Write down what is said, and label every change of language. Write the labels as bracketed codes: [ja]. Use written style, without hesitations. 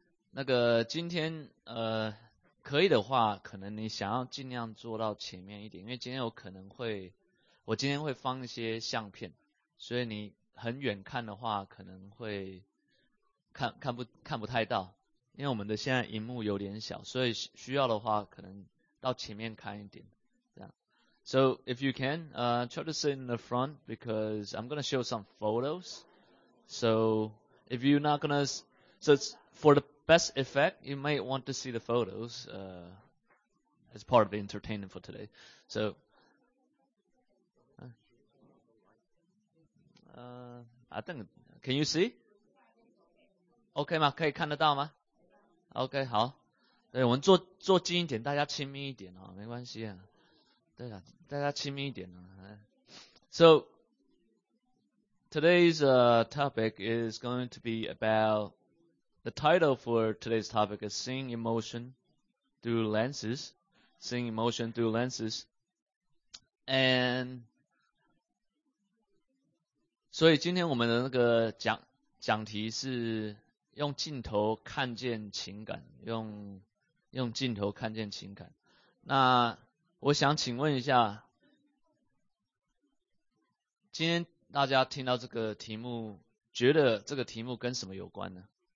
[zh] 那个今天可以的话，可能你想要尽量坐到前面一点，因为今天有可能会，我今天会放一些相片，所以你很远看的话，可能会看不太到，因为我们的现在荧幕有点小，所以需要的话，可能到前面看一点。 [en] So if you can, try to sit in the front because I'm going to show some photos. So if you're not going to, so it's for the best effect, you might want to see the photos, as part of the entertainment for today. So, I think, can you see? [zh] Okay, 吗？可以看得到吗？Okay, 好。对，我们坐近一点，大家亲密一点哦，没关系啊。对啊，大家亲密一点啊。 [en] So, today's, topic is going to be about, the title for today's topic is Seeing Emotion Through Lenses. Seeing Emotion Through Lenses. [zh] And, 所以今天我们的那个讲题是用镜头看见情感，用镜头看见情感。那我想请问一下，今天大家听到这个题目，觉得这个题目跟什么有关呢？